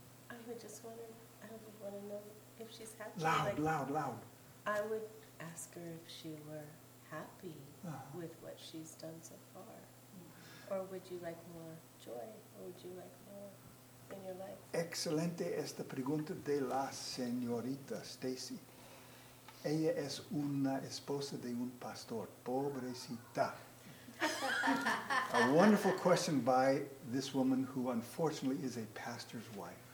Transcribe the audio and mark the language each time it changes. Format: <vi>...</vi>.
<en>I would want to know if she's happy. Loud. I would ask her if she were happy with what she's done so far. Or would you like more joy? Or would you like more in your life?</en> <es>Excelente esta pregunta de la señorita Stacy. Ella es una esposa de un pastor. Pobrecita.</es> <en>A wonderful question by this woman who unfortunately is a pastor's wife.</en>